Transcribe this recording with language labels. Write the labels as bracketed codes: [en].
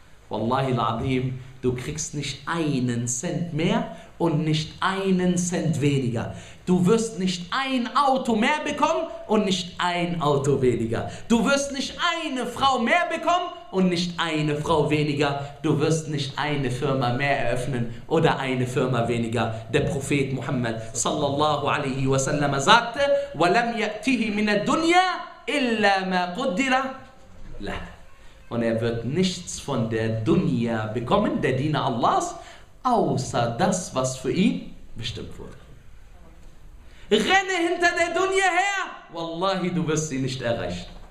[de] Wallahi al-Azim, du kriegst nicht einen Cent mehr und nicht einen Cent weniger. Du wirst nicht ein Auto mehr bekommen und nicht ein Auto weniger. Du wirst nicht eine Frau mehr bekommen und nicht eine Frau weniger. Du wirst nicht eine Firma mehr eröffnen oder eine Firma weniger. Der Prophet [ar] Muhammad sallallahu alaihi wasallam [de] sagte: [ar] وَلَمْ يَأْتِهِ مِنَ الدُّنْيَا إِلَّا مَا قُدِّرَ لَهُ. [de] Und er wird nichts von der Dunya bekommen, der Diener Allahs, außer das, was für ihn bestimmt wurde. Renne hinter der Dunya her! Wallahi, du wirst sie nicht erreichen.